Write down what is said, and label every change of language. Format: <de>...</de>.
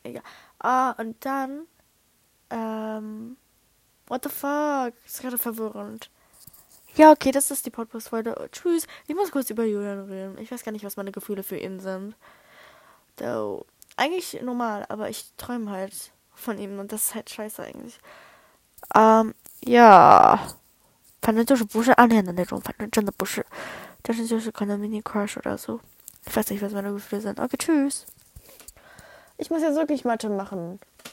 <de>Egal. Und dann.</de> <en>What the fuck?</en> <de>Ist gerade verwirrend. Ja, okay, das ist die Podcast-Folge. Tschüss. Ich muss kurz über Julian reden. Ich weiß gar nicht, was meine Gefühle für ihn sind. So, eigentlich normal, aber ich träume halt von ihm und das ist halt scheiße eigentlich. Ja.</de> <zh>反正就是不是暗恋的那种，反正真的不是。但是就是可能</zh> <en>mini crush</en> <de>oder so. Ich weiß nicht, was meine Gefühle sind. Okay, tschüss. Ich muss jetzt wirklich Mathe machen.</de>